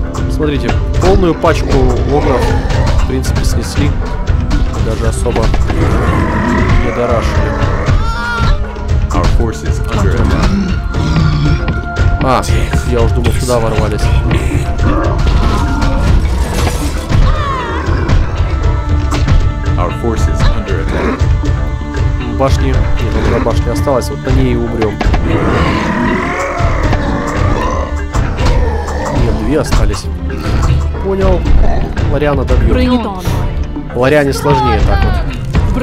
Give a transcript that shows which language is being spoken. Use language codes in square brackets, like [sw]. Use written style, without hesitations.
[ru] Смотрите, полную пачку Фограф, в принципе, снесли. Даже особо... [en] Our forces under attack. [ru] А, я уж думал, сюда ворвались. [en] Our forces under attack. [ru] Башни, нет, у меня башня осталась, вот на ней и умрем. Нет, две остались. Понял. Лориана добьет. Лориане сложнее так вот.